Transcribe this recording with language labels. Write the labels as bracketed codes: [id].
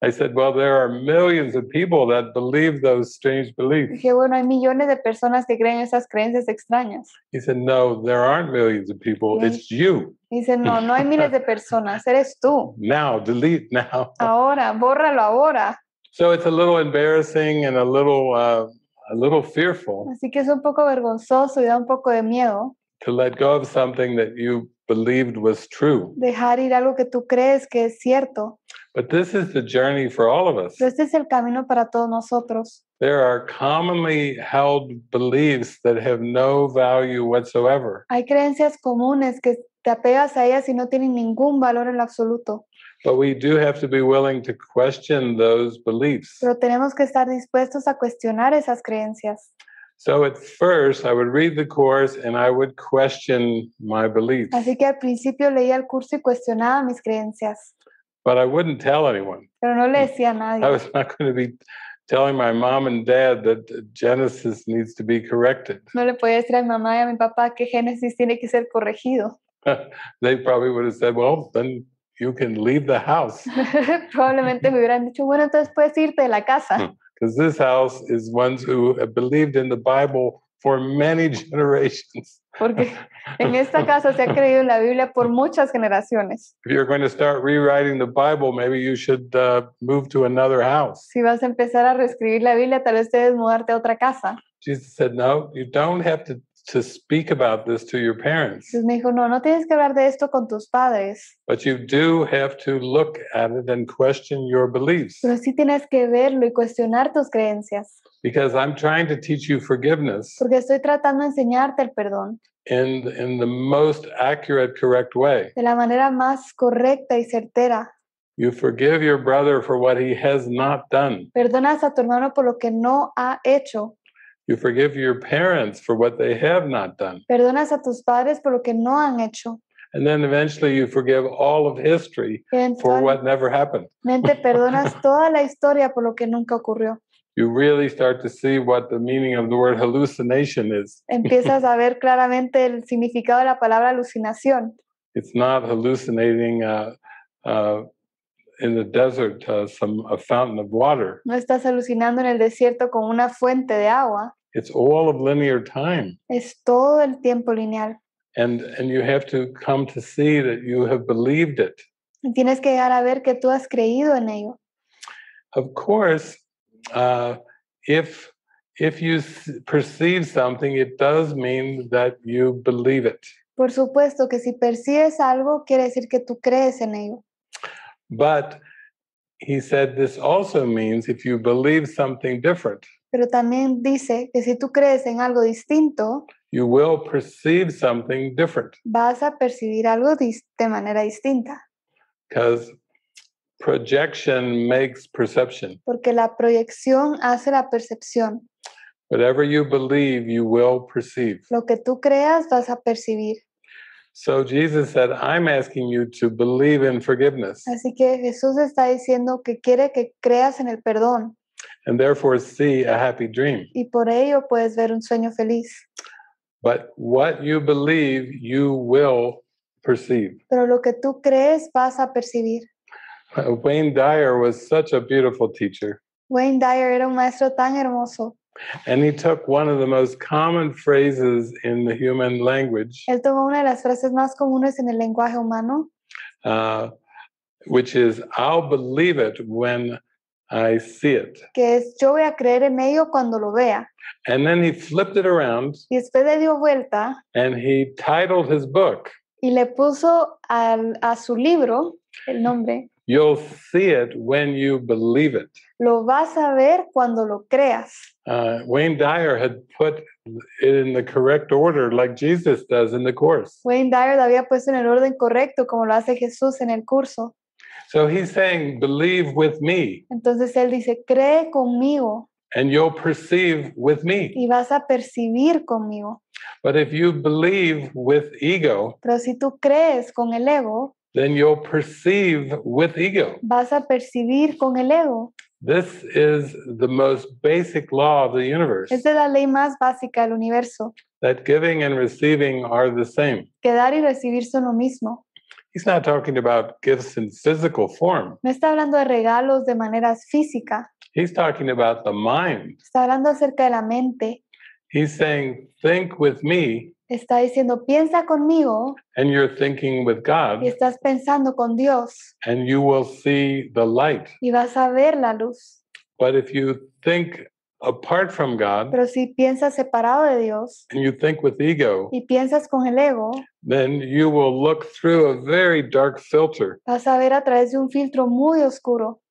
[en] I said, "Well, there are millions of people that believe those strange beliefs." [es] Dije, bueno, hay millones de personas que creen esas creencias extrañas. [en] He said, "No, there aren't millions of people. Yes. It's you." [es] Dice, no hay miles de personas, eres tú. [en] Now, delete now. [es] Ahora, bórralo ahora. [en] So it's a little embarrassing and a little fearful. [es] Así que es un poco vergonzoso y da un poco de miedo. [en] To let go of something that you believed was true. [es] Dejar ir algo que tú crees que es cierto. [en] But this is the journey for all of us. [es] Pero este es el camino para todos nosotros. [en] There are commonly held beliefs that have no value whatsoever. [es] Hay creencias comunes que te apegas a ellas y no tienen ningún valor en lo absoluto. [en] But we do have to be willing to question those beliefs. [es] Pero tenemos que estar dispuestos a cuestionar esas creencias. [en] So at first I would read the course and I would question my beliefs. [es] Así que al principio leía el curso y cuestionaba mis creencias. [en] But I wouldn't tell anyone. [es] Pero no le decía a nadie. [en] I was not going to be telling my mom and dad that Genesis needs to be corrected. [es] No le podía decir a mi mamá y a mi papá que Génesis tiene que ser corregido. [en] They probably would have said, "Well, then you can leave the house." [es] Probablemente me hubieran dicho, "Bueno, entonces puedes irte de la casa." [en] Because this house is ones who have believed in the Bible for many generations. [es] Porque en esta casa se ha creído en la Biblia por muchas generaciones. [en] If you're going to start rewriting the Bible, maybe you should move to another house. [es] Si vas a empezar a reescribir la Biblia, tal vez debes mudarte a otra casa. [en] Jesus said, "No, you don't have to speak about this to your parents." [es] Pues me dijo, no tienes que hablar de esto con tus padres. [en] But you do have to look at it and question your beliefs. [es] Pero sí tienes que verlo y cuestionar tus creencias. [en] Because I'm trying to teach you forgiveness. [es] Porque estoy tratando de enseñarte el perdón. [en] In the most accurate, correct way. [es] De la manera más correcta y certera. [en] You forgive your brother for what he has not done. [es] Perdonas a tu hermano por lo que no ha hecho. [en] You forgive your parents for what they have not done. [es] Perdonas a tus padres por lo que no han hecho. [en] And then eventually you forgive all of history for what never happened. [es] Perdonas toda la historia por lo que nunca ocurrió. [en] You really start to see what the meaning of the word hallucination is. [es] Empiezas a ver claramente el significado de la palabra alucinación. [en] It's not hallucinating in the desert a fountain of water. [es] No estás alucinando en el desierto con una fuente de agua. [en] It's all of linear time. [es] Es todo el tiempo lineal. [en] And you have to come to see that you have believed it. [es] Y tienes que llegar a ver que tú has creído en ello. [en] Of course, if you perceive something, it does mean that you believe it. [es] Por supuesto que si percibes algo, quiere decir que tú crees en ello. [en] But he said this also means if you believe something different. [es] Pero también dice que si tú crees en algo distinto, [en] you will perceive something different. [es] Vas a percibir algo de manera distinta. [en] Because projection makes perception. [es] Porque la proyección hace la percepción. [en] Whatever you believe, you will perceive. [es] Lo que tú creas, vas a percibir. [en] So Jesus said, I'm asking you to believe in forgiveness. [es] Así que Jesús está diciendo que quiere que creas en el perdón. [en] And therefore see a happy dream. [es] Y por ello puedes ver un sueño feliz. [en] But what you believe, you will perceive. [es] Pero lo que tú crees, vas a percibir. [en] Wayne Dyer was such a beautiful teacher. [es] Wayne Dyer era un maestro tan hermoso. [en] And he took one of the most common phrases in the human language. [es] Él tomó una de las frases más comunes en el lenguaje humano. [en] Which is, I'll believe it when I see it. [es] Que es, yo voy a creer en ello cuando lo vea. [en] And then he flipped it around. [es] Y después le dio vuelta. [en] And he titled his book. [es] Y le puso a su libro el nombre. [en] You'll see it when you believe it. [es] Lo vas a ver cuando lo creas. [en] Wayne Dyer had put it in the correct order, like Jesus does in the course. [es] Wayne Dyer lo había puesto en el orden correcto, como lo hace Jesús en el curso. [en] So he's saying, believe with me. [es] Entonces él dice, cree conmigo. [en] And you'll perceive with me. [es] Y vas a percibir conmigo. [en] But if you believe with ego. [es] Pero si tú crees con el ego. [en] Then you'll perceive with ego. [es] Vas a percibir con el ego. [en] This is the most basic law of the universe. [es] Esta es la ley más básica del universo. [en] That giving and receiving are the same. [es] Que dar y recibir son lo mismo. [en] He's not talking about gifts in physical form. [es] No está hablando de regalos de manera física. [en] He's talking about the mind. [es] Está hablando acerca de la mente. [en] He's saying, think with me. [es] Está diciendo, piensa conmigo. [en] And you're thinking with God. [es] Y estás pensando con Dios. [en] And you will see the light. [es] Y vas a ver la luz. [en] But if you think apart from God. [es] Pero si piensas separado de Dios. [en] And you think with ego. [es] Y piensas con el ego. [en] Then you will look through a very dark filter. [es] Vas a ver a través de un filtro muy oscuro.